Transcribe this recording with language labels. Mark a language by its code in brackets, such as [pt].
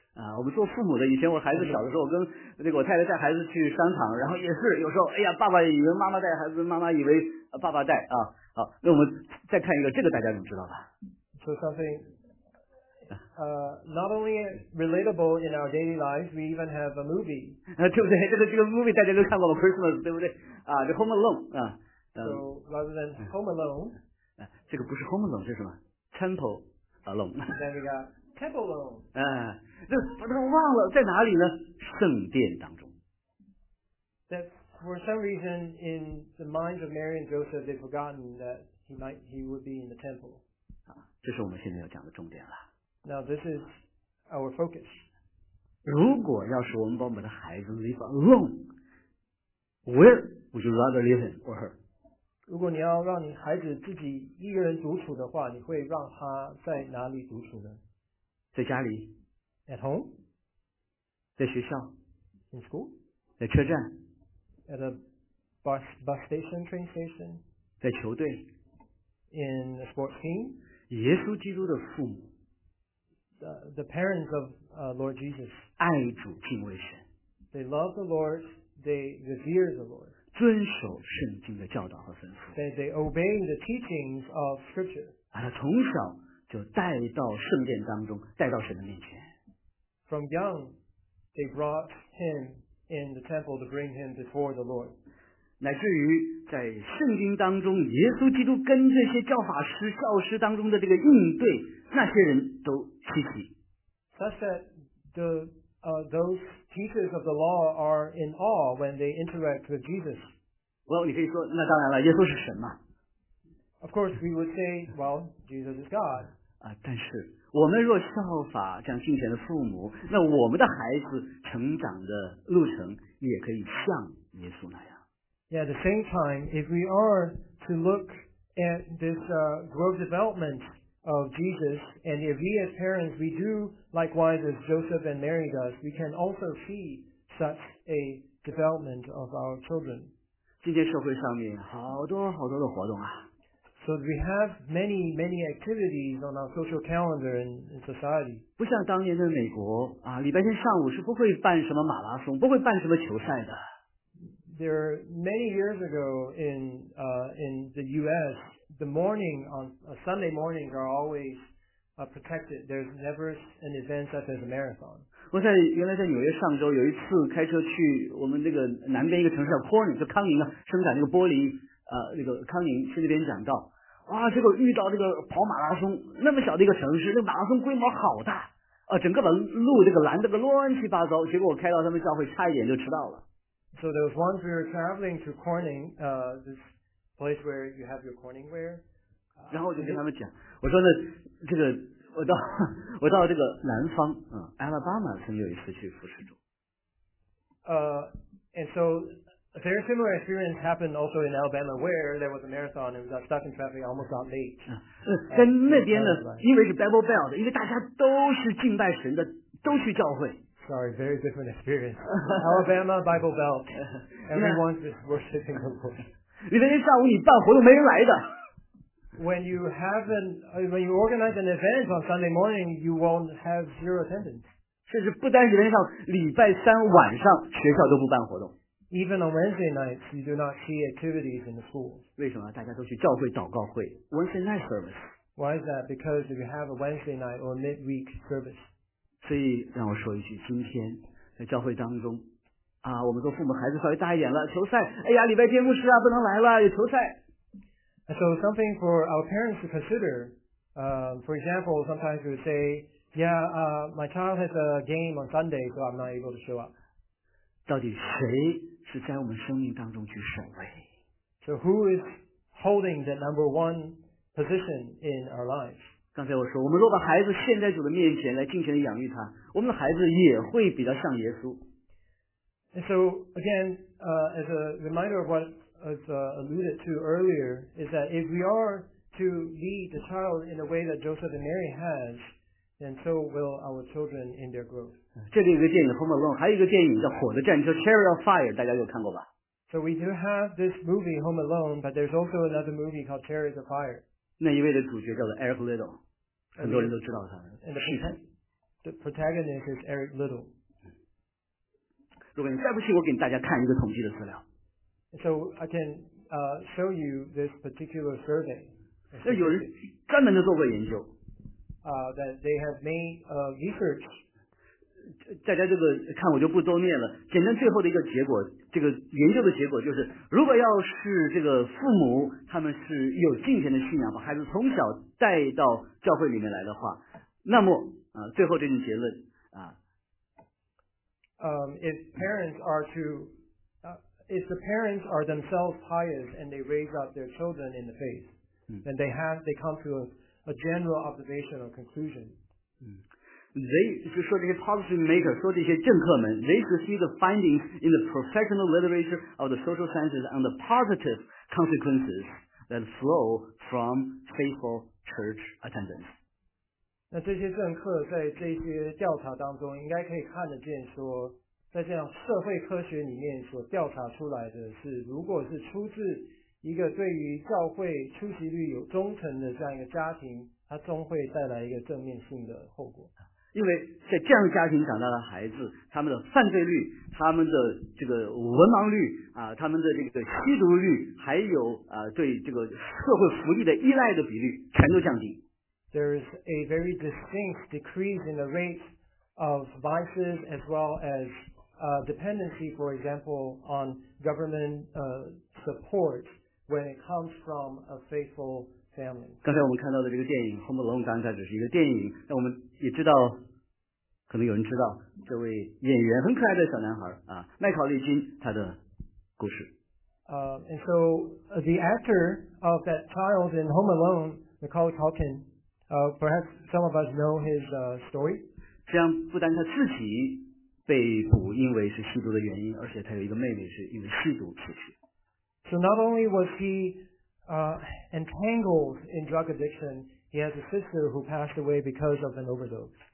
[zh] 啊，我们做父母的，以前我孩子小的时候，我跟那个我太太带孩子去商场，然后也是有时候，哎呀，爸爸以为妈妈带孩子，妈妈以为爸爸带啊。好，那我们再看一个，这个大家能知道吧 [en] ？So something, not only relatable in our daily lives, we even have a movie. [zh] 对不对？这个 movie 大家都看过了 ，Christmas， 对不对？啊，这 Home Alone 啊。 [en] So rather than Home Alone， [zh] 这个不是 Home Alone， 这是什么 ？Temple Alone。 [en] Then we got. [zh] Temple Alone. 那把它忘了在哪里呢？圣殿当中。 [en] That for some reason in the minds of Mary and Joseph, they've forgotten that he would be in the temple. [zh] 啊，这是我们现在要讲的重点了。 [en] Now this is our focus. [zh] 如果要是我们把我们的孩子 [en] leave alone, where would you rather leave him or her? [zh] 如果你要让你孩子自己一个人独处的话，你会让他在哪里独处呢？在家里 [en] ，at home， [zh] 在学校 [en] ，in school， [zh] 在车站 [en] ，at a bus station train station， [zh] 在球队 [en] ，in a sports team， [zh] 耶稣基督的父母 [en] ，the parents of Lord Jesus， [zh] 爱主敬畏神 [en] ，they love the Lord， they revere the Lord， [zh] 遵守圣经的教导和吩咐 [en] ，they obey the teachings of Scripture， [zh] 啊，从小。就带到圣殿当中，带到神的面前。 [en] From young, they brought him in the temple to bring him before the Lord. [zh] 乃至于在圣经当中，耶稣基督跟这些教法师、教师当中的这个应对，那些人都稀奇。 [en] Such that the those teachers of the law are in awe when they interact with Jesus. [zh] Well, 你可以说，那当然了，耶稣是神嘛。 [en] Of course, we would say, well, Jesus is God. [zh] 啊，但是我们若效法像敬虔的父母，那我们的孩子成长的路程也可以像耶稣那样。 [en] Yeah, at the same time, if we are to look at this growth development of Jesus, and if we as parents, we do likewise as Joseph and Mary does, we can also see such a development of our children. [zh] 今天社会上面好多好多的活动啊。 [en] So we have many, many activities on our social calendar in society. 不像当年的美国啊，礼拜天上午是不会办什么马拉松，不会办什么球赛的。 There many years ago in the U.S., the morning on Sunday mornings are always protected. There's never an event such as a marathon. [zh] 我在原来在纽约上周有一次开车去我们这个南边一个城市叫 Corning， 就康宁啊，生产那个玻璃，那个康宁去那边讲道，啊，结果遇到这个跑马拉松，那么小的一个城市，那个马拉松规模好大，啊，整个把路这个拦的个乱七八糟，结果我开到他们教会差一点就迟到了。 [en] So there was once we were traveling to Corning, this place where you have your Corningware. [zh] 然后我就跟他们讲，我说呢，这个我到这个南方，Alabama 曾有一次去服侍主。 [en] And so a very similar experience happened also in Alabama, where there was a marathon and we got stuck in traffic, almost got late. [zh] 在那边呢，因为是 Bible Belt， 因为大家都是敬拜神的，都去教会。 [en] Sorry, very different experience. Alabama Bible Belt. Everyone's just worshiping the Lord. [zh] 你那天下午你办活动没人来的。 [en] When you organize an event on Sunday morning, you won't have zero attendance. [zh] 甚至不单是连上礼拜三晚上学校都不办活动。 [en] Even on Wednesday nights, you do not see activities in the schools. [zh] 为什么？大家都去教会祷告会 ， [en] Wednesday night service. Why is that? Because if you have a Wednesday night or midweek service. [zh] 所以让我说一句，今天在教会当中啊，我们做父母孩子稍微大一点了，球赛，哎呀，礼拜天牧师啊不能来了，有球赛。 [en] So something for our parents to consider, for example, sometimes we would say, my child has a game on Sunday, so I'm not able to show up. [zh] 到底谁是在我们生命当中去守卫？ [en] So who is holding the number one position in our lives? [zh] 刚才我说，我们若把孩子献在主的面前来尽情的养育他，我们的孩子也会比较像耶稣。 [en] And so again, as a reminder of what was alluded to earlier, is that if we are to lead the child in the way that Joseph and Mary has, then so will our children in their growth. [zh] 这里有一个电影《Home Alone》，还有一个电影叫《火的战车》（Chariot of Fire）， 大家有看过吧 [en] ？So we do have this movie Home Alone, but there's also another movie called Chariot of Fire. [zh] 那一位的主角叫做 Eric Little， 很多人都知道他。 [en] And the protagonist is Eric Little。 [zh] 如果你再不信，我给大家看一个统计的资料。 [en] So I can show you this particular survey。那有人专门的做过研究。 That they have made research。 [zh] 大家这个看我就不多念了。简单最后的一个结果，这个研究的结果就是，如果要是这个父母他们是有敬虔的信仰，把孩子从小带到教会里面来的话，那么最后这种结论啊。 [en] If parents are to, if the parents are themselves pious and they raise up their children in the faith, then they come to a general observation or conclusion. They [zh] 就说这些 policy maker 说这些政客们 [en] ，they should see the findings in the professional literature of the social sciences on the positive consequences that flow from faithful church attendance. [zh] 那这些政客在这些调查当中，应该可以看得见说，在这样社会科学里面所调查出来的是，如果是出自一个对于教会出席率有忠诚的这样一个家庭，它终会带来一个正面性的后果。因为在这样家庭长大的孩子，他们的犯罪率、他们的这个文盲率啊、他们的这个吸毒率，还有对这个社会福利的依赖的比率，全都降低。 [en] There is a very distinct decrease in the rate of vices as well as dependency, for example, on government support when it comes from a faithful family. [zh] 刚才我们看到的这个电影《Home Alone》刚才只是一个电影，那我们也知道，可能有人知道这位演员很可爱的小男孩啊，麦考利金他的故事。 [en] And so the actor of that child in Home Alone, Macaulay Culkin, perhaps some of us know his story. [zh] 这样不单他自己被捕因为是吸毒的原因，而且他有一个妹妹是因为吸毒出去。 [en] So not only was he entangled in drug addiction, he has a sister who passed away because of an overdose.